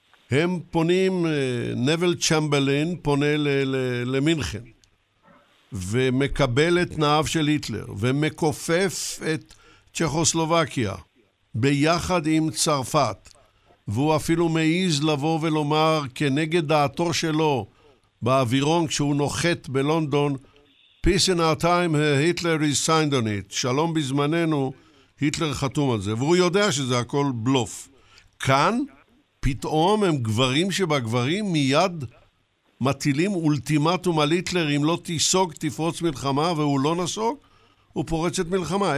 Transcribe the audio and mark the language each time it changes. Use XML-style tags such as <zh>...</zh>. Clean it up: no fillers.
<he>הם פונים, נבל צ'מבלין פונה למינכן ומקבל את תנאיו של היטלר ומכופף את צ'כוסלובקיה ביחד עם צרפת, והוא אפילו מעז לבוא ולומר כנגד דעתו שלו באווירון כשהוא נוחת בלונדון,</he> <en>Peace in our time, Hitler is signed on it.</en> <he>שלום בזמננו, היטלר חתום על זה. והוא יודע שזה הכל בלוף. כאן, פתאום הם גברים שבגברים, מיד מטילים אולטימטום על היטלר, אם לא תיסוג, תפרוץ מלחמה, והוא לא נסוג, הוא פורץ את מלחמה.</he>